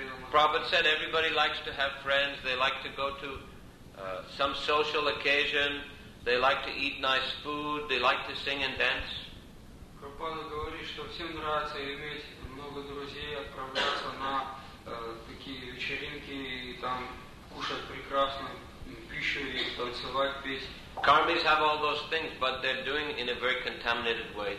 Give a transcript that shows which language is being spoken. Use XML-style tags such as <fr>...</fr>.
<en>Prabhupada said everybody likes to have friends, they like to go to some social occasion, they like to eat nice food, they like to sing and dance.</en> <ru>Prabhupada говорит, что всем нравится иметь много друзей, отправляться на такие вечеринки и там кушать прекрасную пищу и танцевать, петь.</ru> <en>Karmis have all those things, but they're doing in a very contaminated way.</en>